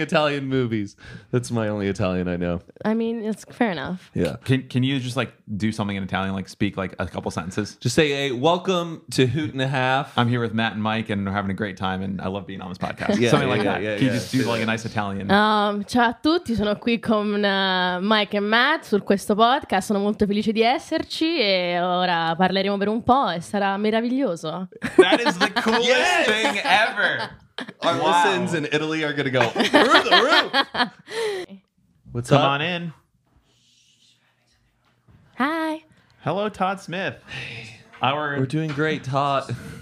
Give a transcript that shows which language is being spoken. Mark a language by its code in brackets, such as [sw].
[en] Italian movies. That's my only Italian I know. I mean, it's fair enough. Yeah. Can you just like do something in Italian, like speak like a couple sentences? Just say, hey, welcome to Hoot and a Half. I'm here with Matt and Mike and we're having a great time and I love being on this podcast. Something like that. Can you just do like a nice Italian? [it] Ciao a tutti, sono qui con Mike e Matt su questo podcast. Sono molto felice di esserci e ora parleremo per un po' e sarà meraviglioso. [en] That is the coolest thing ever. Our listens in Italy are going to go through the roof. What's up? Come on in. Hi. Hello, Todd Smith. Hey. We're doing great, Todd.